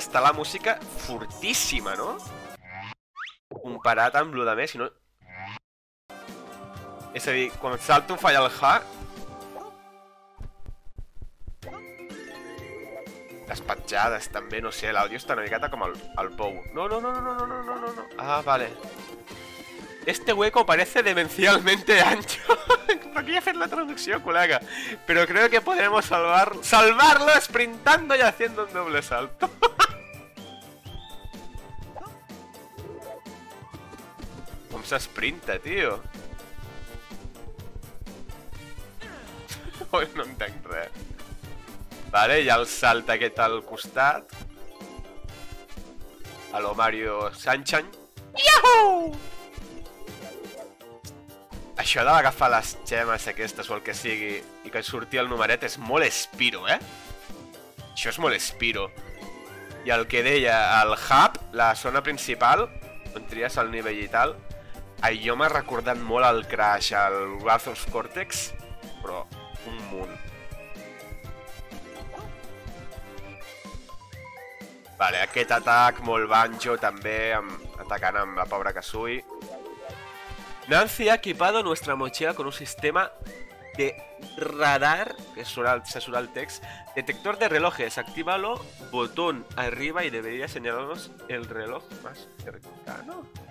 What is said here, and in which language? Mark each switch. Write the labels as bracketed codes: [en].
[ca] Està la música fortíssima, no? Comparat amb lo de més, si no... És a dir, quan salto falla el ha... Les petjades també, no sé, l'àudio està una miqueta com el pou. No, no, no, no, no, no, no, no, no. Ah, vale. [es] Este hueco parece demencialmente ancho. No quería hacer la [ca] traducció, col·lega. [es] Pero creo que podremos salvarlo sprintando y haciendo un doble salto. [ca] Com s'esprinta, tio? No entenc res. Vale, hi ha el salt aquest al costat. [es] A lo Mario Sunshine. Yahoo! [ca] Això de agafar les gemes aquestes o el que sigui i que surti el numeret és molt Spiro, eh? Això és molt Spiro. I el que deia, el hub, la zona principal, on tries el nivell i tal, allò m'ha recordat molt el Crash, el Wrath of Cortex, però un munt. Vale, aquest atac molt Banjo també, atacant amb la pobra Kazooie. [es] Nancy ha equipado nuestra mochila con un sistema de radar, [ca] que se surt el text, [es] detector de relojes, actívalo, botón arriba y debería señalarnos el reloj más cercano.